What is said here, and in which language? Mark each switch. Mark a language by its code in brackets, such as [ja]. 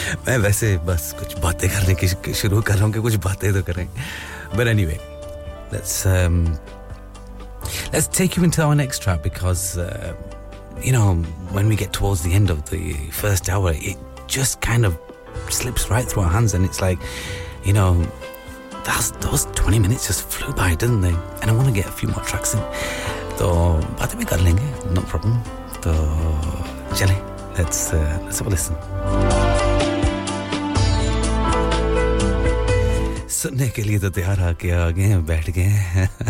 [hi] मैं वैसे बस कुछ बातें करने की शुरू कर रहा हूँ कि कुछ बातें तो करें. [en] But anyway, let's take you into our next track, because you know, when we get towards the end of the first hour, it just kind of slips right through our hands, and it's like, you know, those 20 minutes just flew by, didn't they? And I want to get a few more tracks in, [hi] तो बातें भी कर लेंगे, [en] no problem. So, Jelly, let's have a listen. [hi] सुनने के लिए तो तैयार आके आ गए हैं, बैठ गए हैं.